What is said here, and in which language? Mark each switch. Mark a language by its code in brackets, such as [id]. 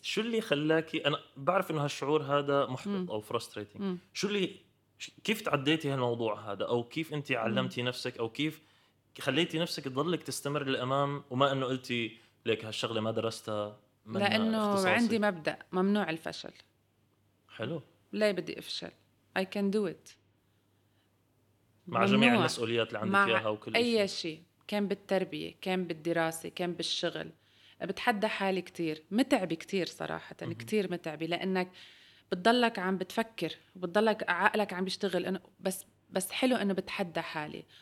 [ar] شو اللي خلاكي، انا بعرف انه هالشعور هذا محبط او frustrating، شو اللي كيف تعديتي هالموضوع هذا، او كيف انت علمتي نفسك، او كيف خليتي نفسك تضلك تستمر للامام وما انه قلتي لك هالشغله ما درستها؟ لانه عندي مبدا ممنوع الفشل. حلو، لا بدي افشل، [en] I can do it. [ar] مع جميع المسؤوليات اللي عندك اياها وكل شيء، اي شيء كان بالتربيه كان بالدراسه كان بالشغل، بتحدى حالي كتير، متعب كتير صراحه، كتير متعب، لانك بتضلك عم بتفكر وبتضلك عقلك عم بيشتغل، بس حلو انه بتحدى حالي.